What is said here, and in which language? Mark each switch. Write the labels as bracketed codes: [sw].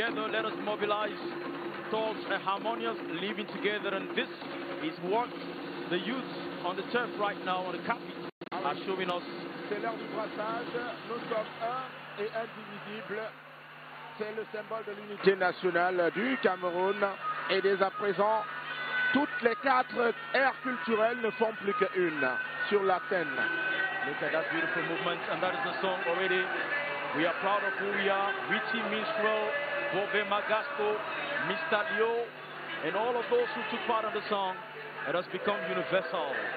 [en] Let us mobilize towards a harmonious living together, and this is what the youth on the turf right now on the carpet are showing us. [fr] C'est l'heure du brassage. Nous sommes un et indivisible. C'est le symbole de l'unité nationale du Cameroun. Et dès à présent, toutes les quatre aires culturelles ne font plus qu'une sur la scène. [en] Look at that beautiful movement, and that is the song already. We are proud of who we are. Witty minstrel. Bobé Magasco, Mr. Leo, and all of those who took part in the song, it has become universal.